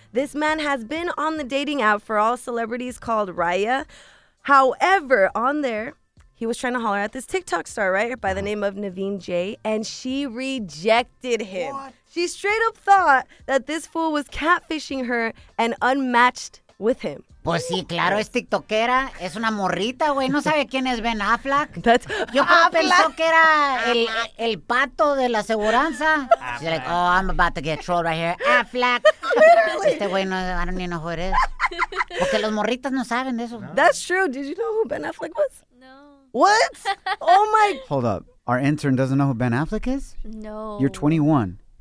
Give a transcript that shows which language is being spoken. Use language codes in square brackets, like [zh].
[en] This man has been on the dating app for all celebrities called Raya. However, on there, he was trying to holler at this TikTok star, right, by the name of Naveen Jay, and she rejected him. What? She straight up thought that this fool was catfishing her and unmatched with him. [es] Pues sí, claro, es tiktokera, es una morrita, güey, no sabe quién es Ben Affleck. [en] That's yo Affleck. [es] Pensó que era el pato de la aseguranza. [en] She's like, oh, I'm about to get trolled right here. Affleck. Literally. [es] Este güey no, [en] I don't even know who it is. [es] Porque los morritas no saben de eso. No. [en] That's true. Did you know who Ben Affleck was? No. What? Oh my. Hold up. Our intern doesn't know who Ben Affleck is? No. You're 21.